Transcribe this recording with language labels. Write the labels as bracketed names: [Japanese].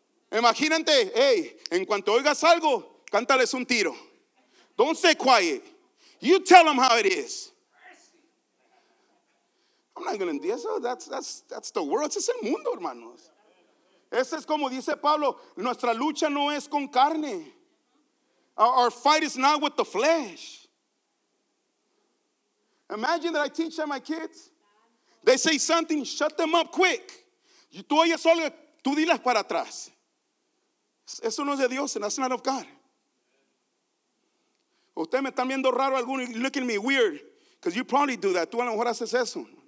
[Spanish] Imagínate, hey, en cuanto oigas algo, cántales un tiro. [English] Don't stay quiet. You tell them how it is. I'm not going to do so. That's the world. [Spanish] Es el mundo, hermanos. Ese es como dice Pablo. Nuestra lucha no es con carne. [English] Our fight is not with the flesh. Imagine that I teach that my kids. They say something, shut them up quick. [Spanish] Tú oyes algo, tú diles para atrás. Eso no es de Dios, [English] and that's not of God. [Spanish] Ustedes me están viendo raro, alguno, [English] looking at me weird, because you probably do that. [Spanish] Tú a lo mejor haces eso.